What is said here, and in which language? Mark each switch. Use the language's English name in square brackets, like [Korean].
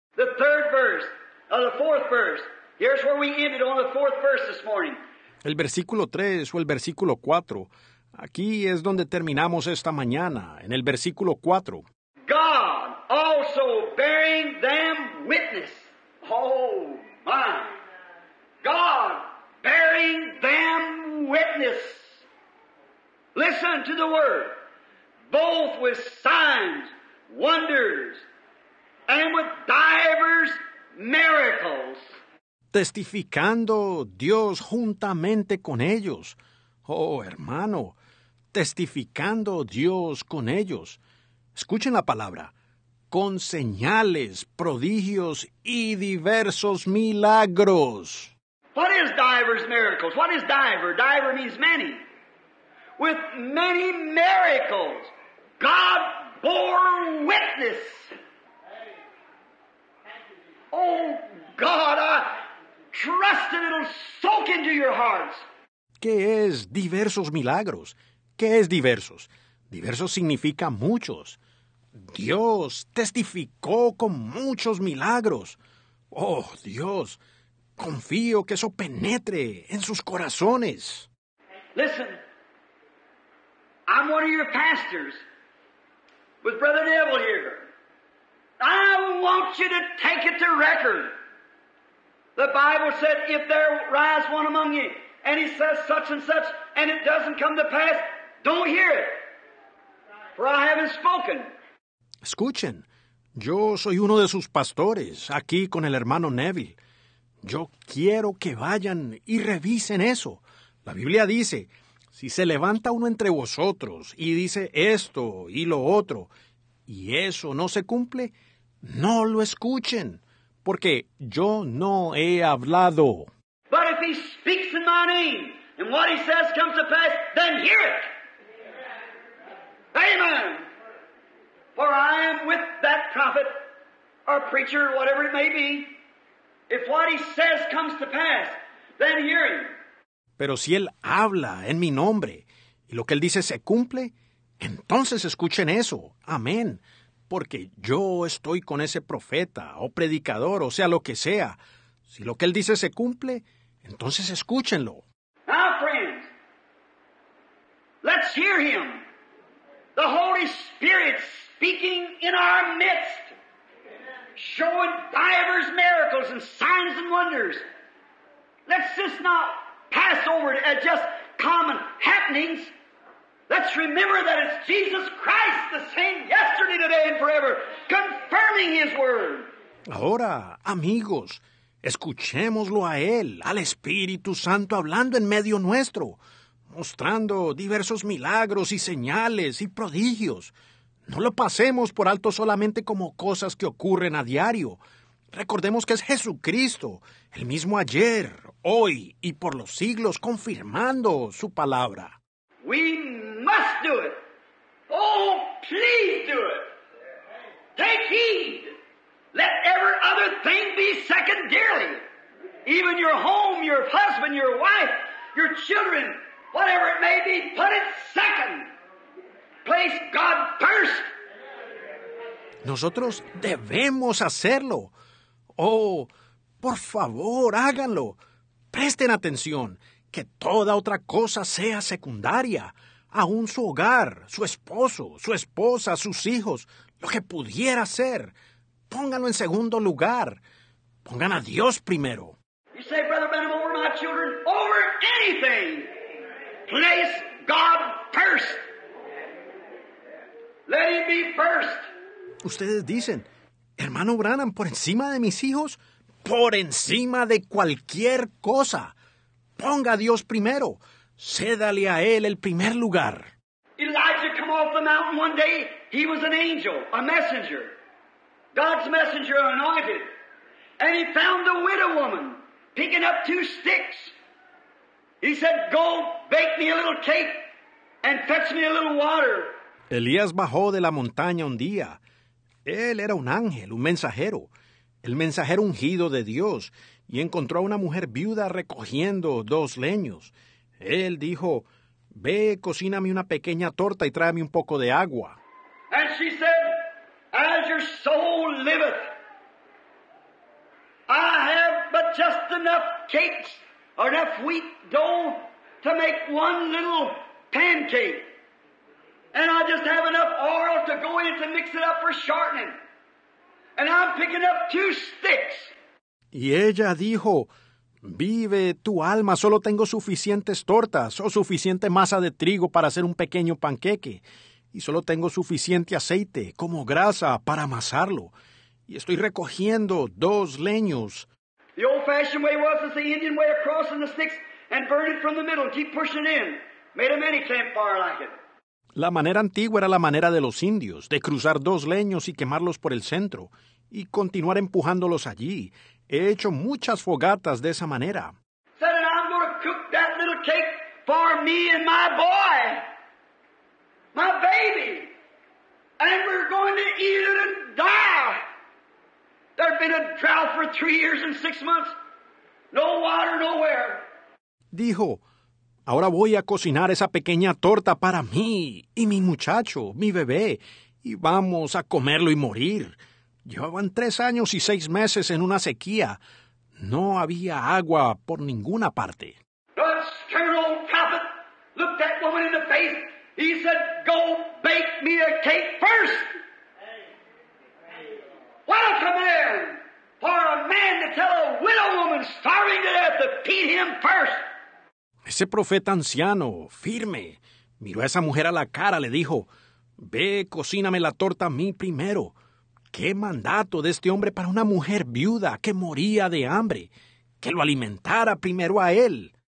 [English] The third verse, the fourth verse. Here's where we ended on the fourth verse this morning. [Spanish] El versículo 3 o el versículo 4, aquí es donde terminamos esta mañana, en el versículo 4. [English] God also bearing them witness. Oh, my. God bearing them witness. Listen to the word. Both with signs, wonders, and with divers miracles. [Spanish] Testificando Dios juntamente con ellos. Oh, hermano, testificando Dios con ellos. Escuchen la palabra. Con señales, prodigios y diversos milagros. [English] What is divers miracles? What is diver? Diver means many. With many miracles, God bore witness. Oh, God, trust and it'll soak into your hearts. [Spanish] ¿Qué es diversos milagros? ¿Qué es diversos? Diversos significa muchos. Dios testificó con muchos milagros. Oh, Dios, confío que eso penetre en sus corazones. [English] Listen, I'm one of your pastors with Brother Neville here. I want you to take it to record. The Bible said, if there rise one among you, and he says such and such, and it doesn't come to pass, don't hear it, for I haven't spoken. [Spanish] Escuchen, yo soy uno de sus pastores, aquí con el hermano Neville. Yo quiero que vayan y revisen eso. La Biblia dice, si se levanta uno entre vosotros y dice esto y lo otro, y eso no se cumple, no lo escuchen. Porque yo no he hablado. [English] But if he speaks in my name, and what he says comes to pass, then hear it. Amen. Amen. For I am with that prophet, or preacher, whatever it may be. If what he says comes to pass, then hear him. [Spanish] Pero si él habla en mi nombre, y lo que él dice se cumple, entonces escuchen eso. Amén. Porque yo estoy con ese profeta o predicador, o sea, lo que sea. Si lo que él dice se cumple, entonces escúchenlo. [English] Now, friends, let's hear him. The Holy Spirit speaking in our midst, showing divers miracles and signs and wonders. Let's just not pass over it as just common happenings. Let's remember that it's Jesus Christ, the same yesterday, today, and forever, confirming his word. [Spanish] Ahora, amigos, escuchémoslo a él, al Espíritu Santo, hablando en medio nuestro, mostrando diversos milagros y señales y prodigios. No lo pasemos por alto solamente como cosas que ocurren a diario. Recordemos que es Jesucristo, el mismo ayer, hoy y por los siglos, confirmando su palabra. [English] We must do it. Oh, please do it. Take heed. Let every other thing be secondary. Even your home, your husband, your wife, your children, whatever it may be, put it second. Place God first. [Spanish] Nosotros debemos hacerlo. Oh, por favor, háganlo. Presten atención, que toda otra cosa sea secundaria. Aún su hogar, su esposo, su esposa, sus hijos, lo que pudiera ser. Pónganlo en segundo lugar. Pongan a Dios primero. [English] You say, Brother Benham, over my children, over anything. Place God first. Let him be first. [Spanish] Ustedes dicen, hermano Branham, por encima de mis hijos, por encima de cualquier cosa. Ponga a Dios primero. Cédale a Él el primer lugar. [English] Elijah came off the mountain one day. He was an angel, a messenger. God's messenger anointed. And he found a widow woman picking up two sticks. He said, go bake me a little cake and fetch me a little water. [Spanish] Elías bajó de la montaña un día. Él era un ángel, un mensajero, el mensajero ungido de Dios, y encontró a una mujer viuda recogiendo dos leños. Él dijo, ve, cocíname una pequeña torta y tráeme un poco de agua. [English] And she said, as your soul liveth, I have but just enough cakes, or enough wheat dough to make one little pancake. And I just have enough oil to go in to mix it up for shortening. And I'm picking up two sticks. [Spanish] Y ella dijo, vive tu alma, solo tengo suficientes tortas o suficiente masa de trigo para hacer un pequeño panqueque. Y solo tengo suficiente aceite como grasa para amasarlo. Y estoy recogiendo dos leños. [English] The old-fashioned way was the Indian way of crossing the sticks and burn it from the middle. Keep pushing in. Made a many campfire like it. [Spanish] La manera antigua era la manera de los indios, de cruzar dos leños y quemarlos por el centro, y continuar empujándolos allí. He hecho muchas fogatas de esa manera. [English] Said, I'm going to cook that little cake for me and my boy, my baby, and we're going to eat it and die. There's been a drought for 3 years and 6 months. No water nowhere. [Spanish] Dijo, ahora voy a cocinar esa pequeña torta para mí y mi muchacho, mi bebé, y vamos a comerlo y morir. Llevaban 3 años y 6 meses en una sequía. No había agua por ninguna parte. [English] The stern old prophet looked that woman in the face. He said, go bake me a cake first. What a command for a man to tell a widow woman starving to death to feed him first. [Spanish] Ese profeta anciano, firme, miró a esa mujer a la cara, le dijo, ve, cocíname la torta a mí primero. ¿Qué mandato de este hombre para una mujer viuda que moría de hambre? Que lo alimentara primero a él.